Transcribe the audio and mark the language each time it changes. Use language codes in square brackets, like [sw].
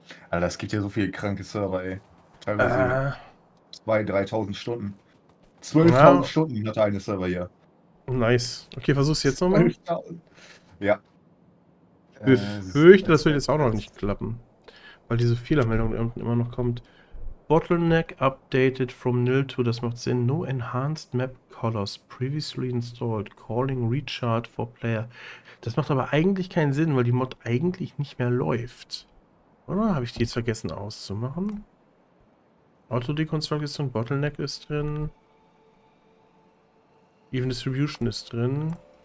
[de] Alter, es gibt ja so viele kranke Server, ey. Teilweise 2.000, 3.000 Stunden. 12.000 Stunden hat eine Server hier. [en] Nice. [de] Okay, versuch's jetzt nochmal. 12.000. Ja. Befürchte, das wird jetzt auch noch nicht klappen. Weil diese Fehlermeldung unten immer noch kommt. [en] Bottleneck updated from nil to, [de] das macht Sinn. [en] No enhanced map colors previously installed. Calling recharge for player. [de] Das macht aber eigentlich keinen Sinn, weil die Mod eigentlich nicht mehr läuft. Oder habe ich die jetzt vergessen auszumachen? Auto-Deconstruct ist drin, Bottleneck ist drin. Even Distribution ist drin.